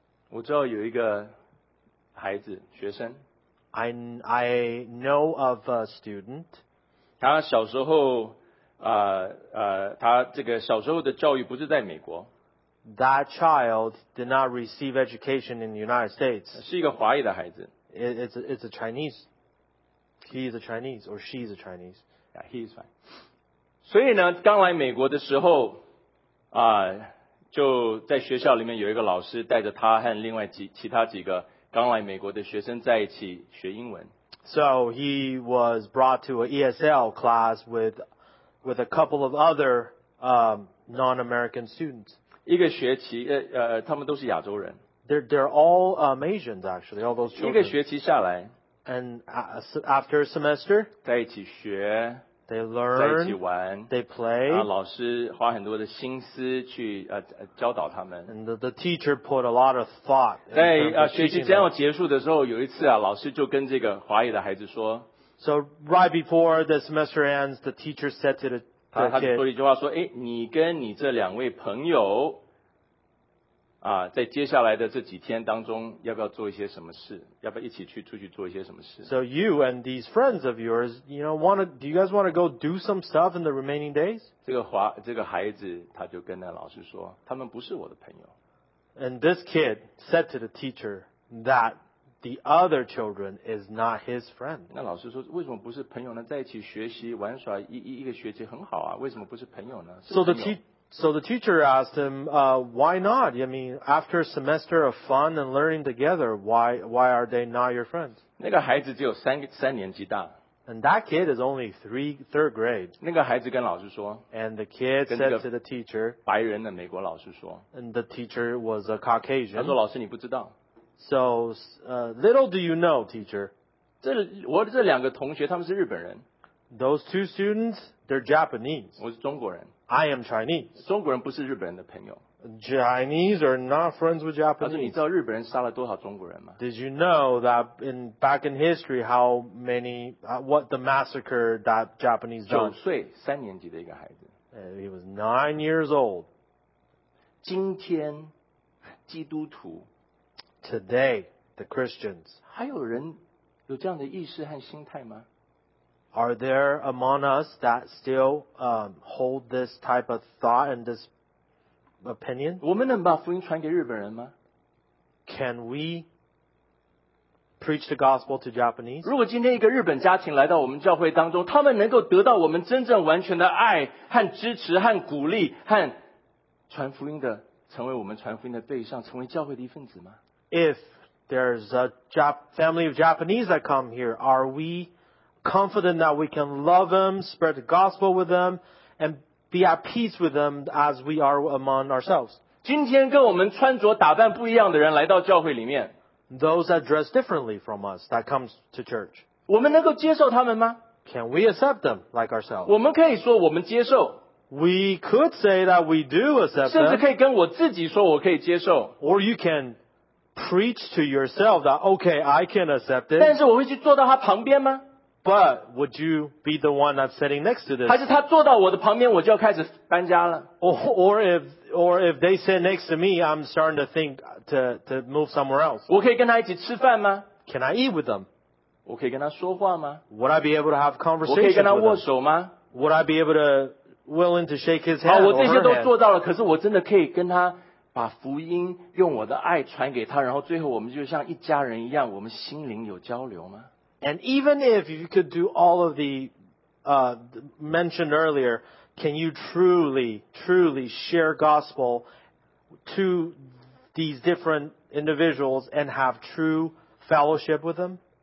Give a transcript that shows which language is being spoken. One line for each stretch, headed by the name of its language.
Chinese: 我知道有一个孩子，学生。
English: I know of a student.
Chinese: 他小时候他这个小时候的教育不是在美国。
English: That child did not receive education in the United States.
Chinese: 是一个华裔的孩子。
English: It's a Chinese. He is a Chinese, or she is a Chinese. Yeah, he is fine.
Chinese: 所以呢刚来美国的时候就在学校里面有一个老师带着他和另外其他几个刚来美国的学生在一起学英文。
English: So he was brought to an ESL class with a couple of other non-American students.
Chinese: 一个学期他们都是亚洲人。
English: They're all Asians actually, all those children.
Chinese: 一个学期下来。
English: And after a semester,
Chinese: 在一起学。
English: They learn,
Chinese: 在一起玩,
English: they play,
Chinese: 老师花很多的心思去教导他们。
English: And the teacher put a lot of thought.
Chinese: 在学习将要结束的时候，有一次老师就跟这个华裔的孩子说。
English: So right before the semester ends, the teacher said to the kid,
Chinese: 他说一句话说，哎，你跟你这两位朋友在接下来的这几天当中要不要做一些什么事，要不要一起去出去做一些什么事。
English: So you and these friends of yours, you know, do you guys want to go do some stuff in the remaining days?
Chinese: 这个孩子他就跟那老师说，他们不是我的朋友。
English: And this kid said to the teacher that the other children is not his friend.
Chinese: 那老师说，为什么不是朋友呢？在一起学习玩耍一个学期很好啊，为什么不是朋友呢？
English: So the teacher asked him, why not? I mean, after a semester of fun and learning together, why are they not your friends?
Chinese: 那个孩子只有三年级大。
English: And that kid is only third grade.
Chinese: 那个孩子跟老师说。
English: And the kid said to the teacher,
Chinese: 白人的美国老师说。
English: And the teacher was a Caucasian.
Chinese: 他说老师你不知道。
English: So, little do you know, teacher.
Chinese: 我这两个同学他们是日本人。
English: Those two students, they're Japanese.
Chinese: 我是中国人。
English: I am Chinese.
Chinese: 中国人不是日本人的朋友。
English: Chinese are not friends with Japanese.
Chinese: 你知道日本人杀了多少中国人吗？
English: Did you know that back in history how many, what the massacre that Japanese done?
Chinese: 九岁，三年级的一个孩子。
English: He was 9 years old.
Chinese: 今天，基督徒。
English: Today, the Christians.
Chinese: 还有人有这样的意识和心态吗？
English: Are there among us that still hold this type of thought and this opinion?
Chinese: 我们能把福音传给日本人吗？
English: Can we preach the gospel to Japanese?
Chinese: 如果今天一个日本家庭来到我们教会当中，他们能够得到我们真正完全的爱和支持和鼓励和传福音的，成为我们传福音的对象，成为教会的一份子吗？
English: If there's a family of Japanese that come here, are we confident that we can love them, spread the gospel with them, and be at peace with them as we are among ourselves?
Chinese: 今天跟我们穿着打扮不一样的人来到教会里面,
English: those that dress differently from us that comes to church,
Chinese: 我们能够接受他们吗?
English: Can we accept them like ourselves?
Chinese: 我们可以说我们接受,
English: we could say that we do accept them.
Chinese: 甚至可以跟我自己说我可以接受,
English: or you can preach to yourself that, okay, I can accept it.
Chinese: 但是我会去坐到他旁边吗?
English: But would you be the one that's sitting next to this?
Chinese: 还是他坐到我的旁边,
English: or if they sit next to me, I'm starting to think to move somewhere else.
Chinese: 我可以跟他一起吃饭吗?
English: Can I eat with them?
Chinese: 我可以跟他说话吗?
English: Would I be able to have conversation
Chinese: 我可以跟他握手吗?
English: With them? Would I be able to willing to shake his hand
Chinese: 好, 我这些都做到了, 可是我真的可以跟他 把福音用我的爱传给他, 然后最后我们就像一家人一样, 我们心灵有交流吗?
English: And even if you could do all of the mentioned earlier, can you truly, truly share gospel to these different individuals and have true fellowship with them?